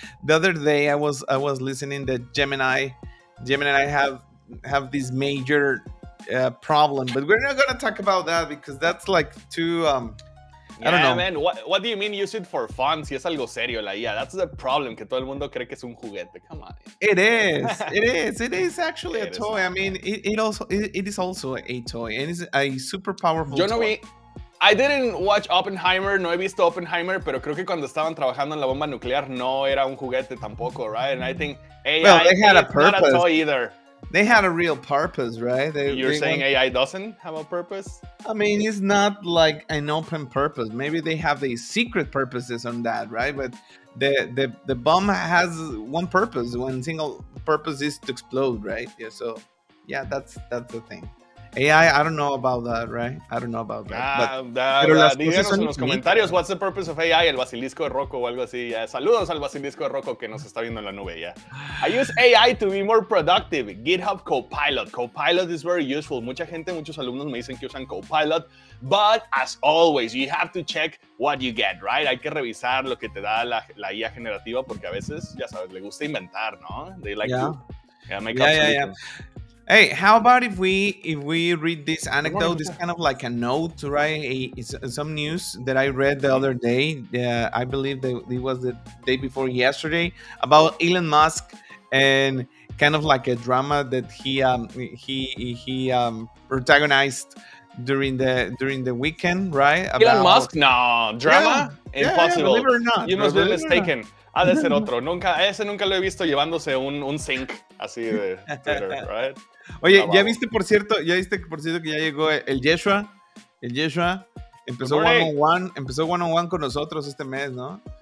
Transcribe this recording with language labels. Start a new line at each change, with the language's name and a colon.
English: The other day I was listening to Gemini and I have this major problem, but we're not gonna talk about that because that's like too I don't know. Yeah, man, what do you mean use it for fun?
Spanish: Si es algo serio, la IA.
English: That's the problem,
Spanish: que todo el mundo cree que es un juguete.
English: Come on. It is actually a toy. I mean, it is also a toy, and it's a super powerful toy. I didn't watch Oppenheimer,
Spanish: no he visto Oppenheimer,
English: pero creo que cuando estaban trabajando en la bomba nuclear no era un juguete tampoco, right? And I think AI, well, they had a purpose. Not a toy either. They had a real purpose, right? You're saying AI doesn't have a purpose? I mean, it's not like an open purpose. Maybe they have the secret purposes on that, right? But the bomb has one purpose. One single purpose is to explode, right? Yeah. So, yeah, that's the thing. AI, I don't know about that, right? I don't know about that.
Spanish: Díganos en los comentarios,
English: what's the purpose of AI,
Spanish: el basilisco de Rocco o algo así. Yeah. Saludos al basilisco de Rocco que nos está viendo en la nube ya.
English: Yeah. I use AI to be more productive. GitHub Copilot. Copilot is very useful.
Spanish: Mucha gente, muchos alumnos me dicen que usan Copilot.
English: But as always, you have to check what you get, right?
Spanish: Hay que revisar lo que te da la IA generativa porque a veces, ya sabes, le gusta inventar, ¿no?
English: They like to make up solutions. Hey, how about if we read this anecdote? It's kind of like a note, right? It's some news that I read the other day. I believe it was the day before yesterday about Elon Musk and kind of like a drama that he protagonized during the weekend, right? Elon Musk? No, drama? Yeah. Impossible. Yeah, believe it or not. You must be mistaken.
Spanish: Ha de ser otro. Ese nunca lo he visto llevándose un sync así de Twitter, right? Oye, ¿ya viste, por cierto, que ya llegó el Yeshua? El Yeshua empezó one-on-one con nosotros este mes, ¿no?